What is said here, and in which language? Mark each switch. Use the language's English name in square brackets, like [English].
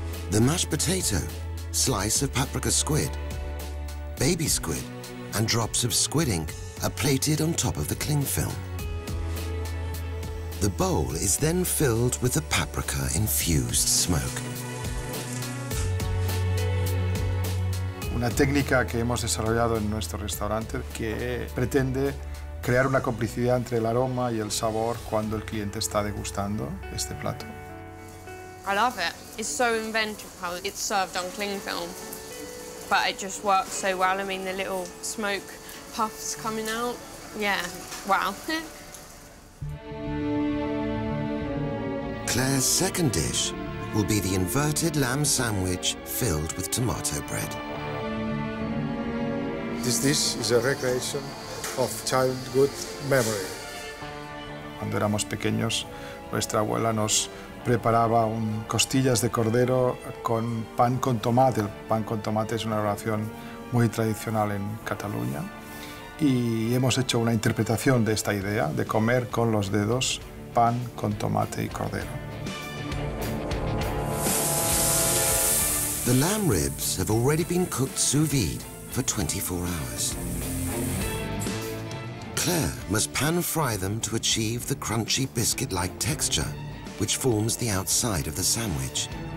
[English] The mashed potato, slice of paprika squid, baby squid, and drops of squid ink are plated on top of the cling film. The bowl is then filled with the paprika-infused smoke. [Spanish] Una técnica que hemos desarrollado en nuestro restaurante que pretende crear una complicidad entre el aroma y el sabor cuando el cliente está degustando este plato. [English] I love it. It's so inventive how it's served on cling film. But it just works so well. I mean, the little smoke puffs coming out. Yeah, wow. Claire's second dish will be the inverted lamb sandwich filled with tomato bread. This dish is a recreation of childhood memory. [Spanish] Cuando éramos pequeños, nuestra abuela nos preparaba un costillas de cordero con pan con tomate. El pan con tomate es una oración muy tradicional en Cataluña. Y hemos hecho una interpretación de esta idea de comer con los dedos pan con tomate y cordero. [English] The lamb ribs have already been cooked sous vide for 24 hours. Claire must pan fry them to achieve the crunchy biscuit-like texture, which forms the outside of the sandwich.